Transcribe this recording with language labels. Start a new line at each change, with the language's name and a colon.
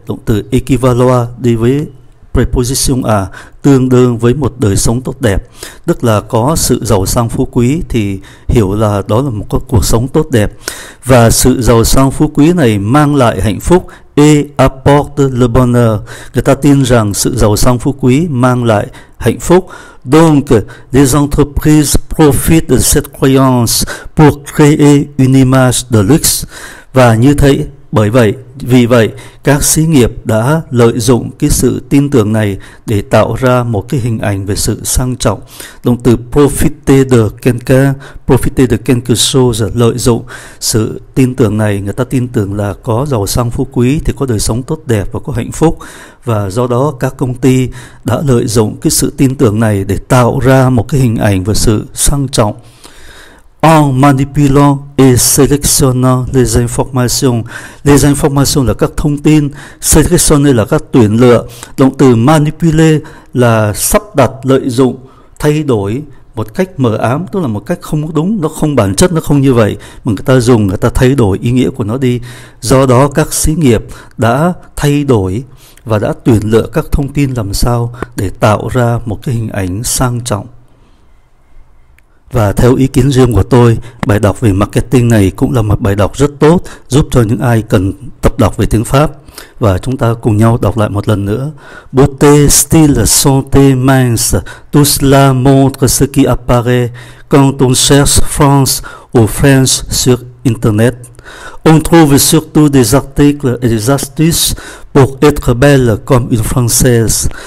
Vietnamese: Động từ equivaloa đi với preposition à, tương đương với một đời sống tốt đẹp, tức là có sự giàu sang phú quý thì hiểu là đó là một cuộc sống tốt đẹp, và sự giàu sang phú quý này mang lại hạnh phúc.
French: Et apporte le bonheur,
Vietnamese: người ta tin rằng sự giàu sang phú quý mang lại hạnh phúc.
French: Donc les entreprises profitent de cette croyance pour créer une image de luxe.
Vietnamese: Và như thế, bởi vậy, vì vậy, các xí nghiệp đã lợi dụng cái sự tin tưởng này để tạo ra một cái hình ảnh về sự sang trọng. Động từ
French: profiter de quelque chose,
Vietnamese: lợi dụng sự tin tưởng này. Người ta tin tưởng là có giàu sang phú quý thì có đời sống tốt đẹp và có hạnh phúc. Và do đó, các công ty đã lợi dụng cái sự tin tưởng này để tạo ra một cái hình ảnh về sự sang trọng.
French: En manipulant et sélectionnant les informations
Vietnamese: là các thông tin, sélectionner là các tuyển lựa. Động từ manipuler là sắp đặt, lợi dụng, thay đổi một cách mờ ám, tức là một cách không đúng, nó không bản chất, nó không như vậy, mà người ta dùng, người ta thay đổi ý nghĩa của nó đi. Do đó các xí nghiệp đã thay đổi và đã tuyển lựa các thông tin làm sao để tạo ra một cái hình ảnh sang trọng. Và theo ý kiến riêng của tôi, bài đọc về marketing này cũng là một bài đọc rất tốt, giúp cho những ai cần tập đọc về tiếng Pháp. Và chúng ta cùng nhau đọc lại một lần nữa.
French: Beauté, style, santé, mince, tout cela montre ce qui apparaît quand on cherche France ou French sur Internet. On trouve surtout des articles et des astuces pour être belle comme une Française.